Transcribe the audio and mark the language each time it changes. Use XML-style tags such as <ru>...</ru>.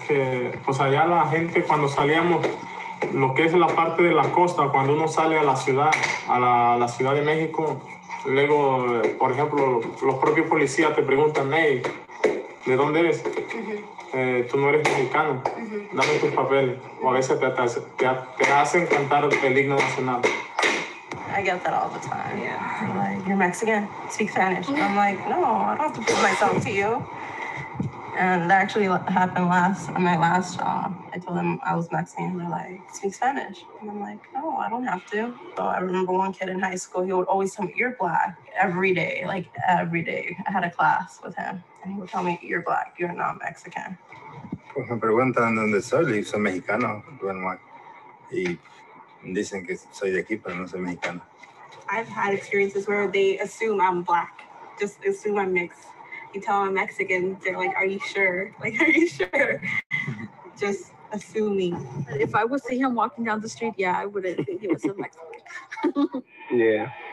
<es>Ya que, pues allá la gente cuando salíamos, lo que es la parte de la costa, cuando uno sale a la ciudad, a la Ciudad de México, luego, por ejemplo, los propios policías te preguntan, hey, ¿de dónde eres? Tú no eres mexicano, dame tus papeles. O a veces te hacen cantar el himno nacional.</es> <en>I get that all the time, yeah. I'm like, you're Mexican, speak Spanish. I'm like, no, I don't have to prove myself to you. And that actually happened on my last job. I told them I was Mexican, they're like, speak Spanish. And I'm like, no, I don't have to. So I remember one kid in high school, he would always tell me, you're black, every day, like every day. I had a class with him, and he would tell me, you're black, you're not Mexican.</en> <es>Pues me preguntan dónde soy, le digo, soy mexicano, bueno, y dicen que soy de aquí, pero no soy mexicano.</es> <en>I've had experiences where they assume I'm black, just assume I'm mixed. You tell them I'm Mexican, they're like, are you sure? Like, are you sure? Just assuming. If I would see him walking down the street, yeah, I wouldn't think he was a Mexican. Yeah.</en>